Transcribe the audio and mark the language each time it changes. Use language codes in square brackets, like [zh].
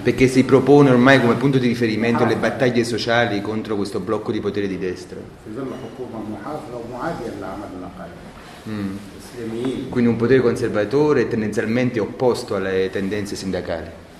[it] Perché si propone ormai come punto di riferimento le battaglie sociali contro questo blocco di potere di destra. [ar] في ظل حكومة محافظة ومعادية للعمل النقابي. [it] Quindi un potere conservatore tendenzialmente opposto alle tendenze sindacali.